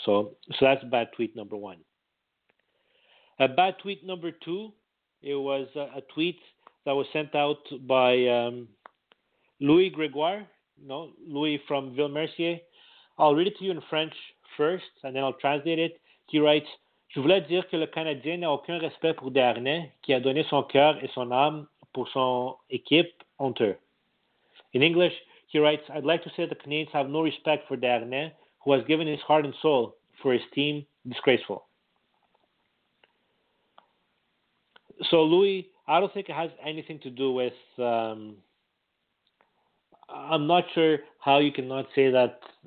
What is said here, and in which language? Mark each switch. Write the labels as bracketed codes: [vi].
[en] So that's bad tweet number one. A bad tweet number two, it was a tweet that was sent out by Louis Gregoire, Louis from Ville-Mercier. I'll read it to you in French first, and then I'll translate it. He writes, [fr] Je voulais dire que le Canadien n'a aucun respect pour Desharnais, qui a donné son cœur et son âme pour son équipe honteux. [en] In English, he writes, I'd like to say the Canadiens have no respect for Desharnais, who has given his heart and soul for his team, disgraceful. So Louis, I don't think it has anything to do with, I'm not sure how you cannot say that.